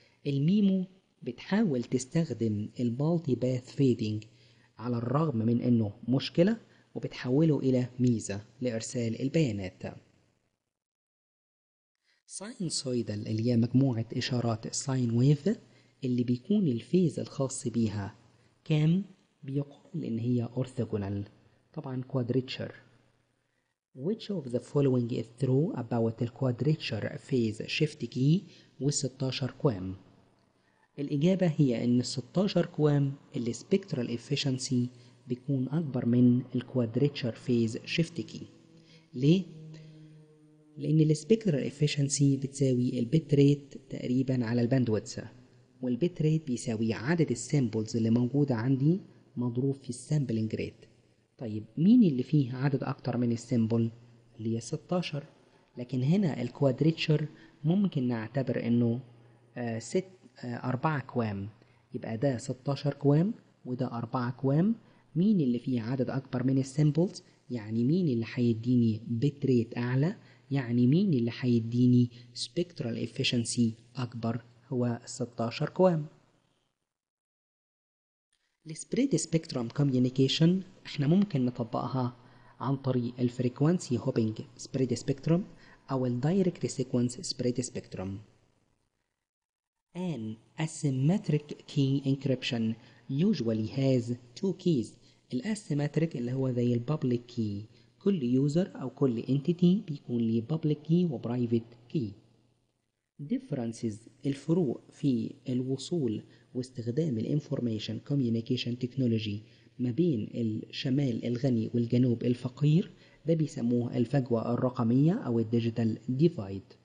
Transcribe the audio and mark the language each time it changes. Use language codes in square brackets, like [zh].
[ar] الميمو بتحاول تستخدم المالتي باث فيدنج على الرغم من أنه مشكلة، وبتحوله إلى ميزة لإرسال البيانات. ساينسويدال اللي هي مجموعة إشارات ساين ويف اللي بيكون الفيز الخاص بيها كام، بيقول إن هي أورثوغونال طبعا كوادريتشر. [en] Which of the following is true about the quadrature phase shift key [ar] و16 كوام؟ الإجابة هي إن 16 كوام اللي [en] spectral efficiency [ar] بيكون أكبر من ال [en] quadrature phase shift key. [ar] ليه؟ لأن ال spectral efficiency بتساوي ال bit rate تقريبا على ال bandwidth، وال bit rate بيساوي عدد السامبلز اللي موجودة عندي مضروب في السامبلينج ريت. طيب مين اللي فيه عدد اكتر من السيمبل اللي هي 16؟ لكن هنا الكوادريتشر ممكن نعتبر انه 4 كوام، يبقى ده 16 كوام وده 4 كوام. مين اللي فيه عدد اكبر من السيمبلز؟ يعني مين اللي هيديني بت ريت اعلى، يعني مين اللي هيديني سبيكترال افيشنسي اكبر؟ هو 16 كوام. السبريد سبيكتروم كوميونيكيشن احنا ممكن نطبقها عن طريق الفريكوانسي هوبينج سبريد سبيكتروم او الدايركت سيكونس سبريد سبيكتروم. [en] An asymmetric key encryption usually has two keys. [ar] الاسيمتريك اللي هو زي البابليك كي، كل يوزر او كل انتيتي بيكون ليه بابليك كي وبرايفت كي. differences الفروق في الوصول واستخدام الانفورميشن كوميونيكيشن تكنولوجي ما بين الشمال الغني والجنوب الفقير، ده بيسموه الفجوة الرقمية او الديجيتال ديفايد.